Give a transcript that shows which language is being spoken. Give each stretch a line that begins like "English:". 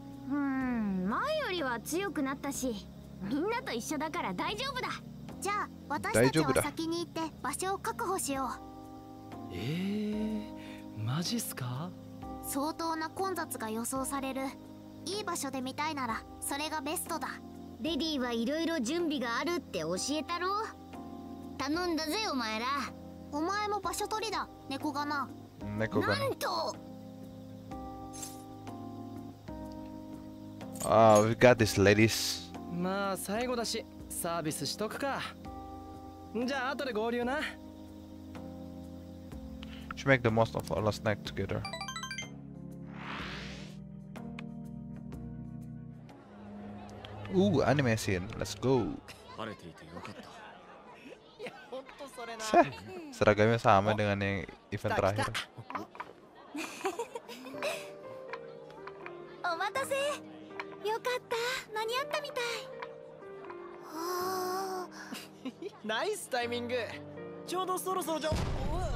Japanese: 前よりは強くなったし、みんなと一緒だから大丈夫だ。じゃあ、私たちは先に行って場所を確保しよう。ええ、マジっすか?相当な混雑が予想される。いい場所で見たいなら、それがベストだ。レディーはいろいろ準備があるって教えたろ?頼んだぜ、お前ら。お前も場所取りだ、猫がな。なんと!
English: We've got this, ladies.
Japanese: まあ、最後だし、サービスしとくか。じゃあ、後で合流な。
English: She make the most of our last night together. Ooh, anime scene. Let's go.
Japanese: 晴れていてよかった。いや、ほんとそれな。
Indonesian: Seragamnya sama dengan yang event terakhir.
Japanese: お待たせ。よかった、間に合ったみたい。ナイスタイミング。 ちょうどそろそろじゃ。